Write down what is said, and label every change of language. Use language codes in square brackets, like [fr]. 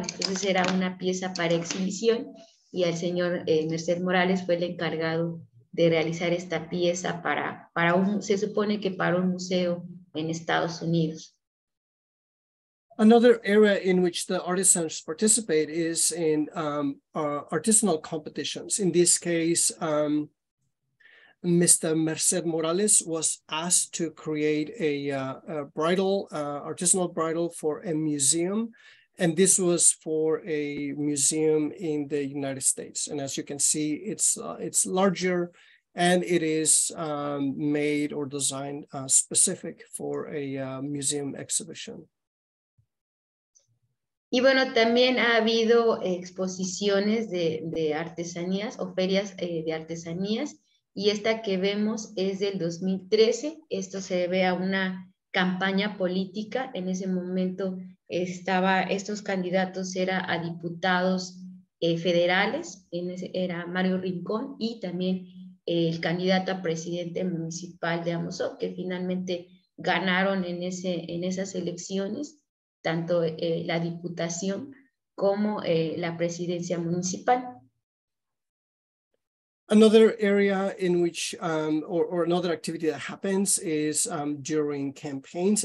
[es] Entonces era una pieza para exhibición y al señor Mercedes Morales fue el encargado de realizar esta pieza se supone que para un museo en Estados Unidos. [en] Another area in which the artisans participate is in artisanal competitions. In this case, Mr. Merced Morales was asked to create artisanal bridle for a museum. And this was for a museum in the United States. And as you can see, it's larger and it is made or designed specific for a museum exhibition. [es] Y bueno, también ha habido exposiciones de artesanías o ferias de artesanías. Y esta que vemos es del 2013. Esto se debe a una campaña política. En ese momento estos candidatos eran a diputados federales. Era Mario Rincón y también el candidato a presidente municipal de Amozoc, que finalmente ganaron en esas elecciones, tanto la diputación como la presidencia municipal. [en] Another area in which, or another activity that happens is during campaigns.